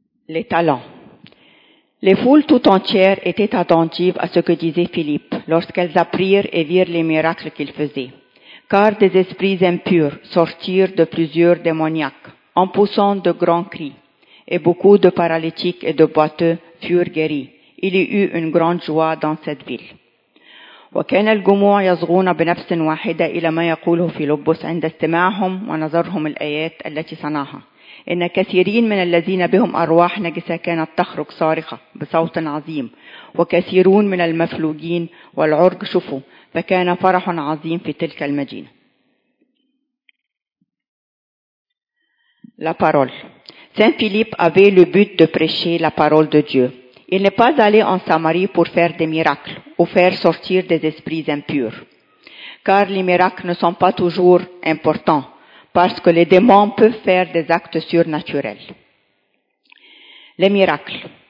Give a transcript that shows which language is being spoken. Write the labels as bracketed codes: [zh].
[fr] les talents. Les foules tout entières étaient attentives à ce que disait Philippe lorsqu'elles apprirent et virent les miracles qu'il faisait. Car des esprits impurs sortirent de plusieurs démoniaques en poussant de grands cris, et beaucoup de paralytiques et de boiteux furent guéris. Il y eut une grande joie dans cette ville. [ar] وكان الجموع يصغون بنفس واحدة إلى ما يقوله فيلبس عند استماعهم ونظرهم الآيات التي صنعها. إن كثيرين من الذين بهم أرواح نجسة كانت تخرج صارخة بصوت عظيم، وكثيرون من المفلوجين والعرج شفوا، فكان فرح عظيم في تلك المدينة. [fr] La parole. Saint Philippe avait le but de prêcher la parole de Dieu. Il n'est pas allé en Samarie pour faire des miracles ou faire sortir des esprits impurs. Car les miracles ne sont pas toujours importants, parce que les démons peuvent faire des actes surnaturels. Les miracles.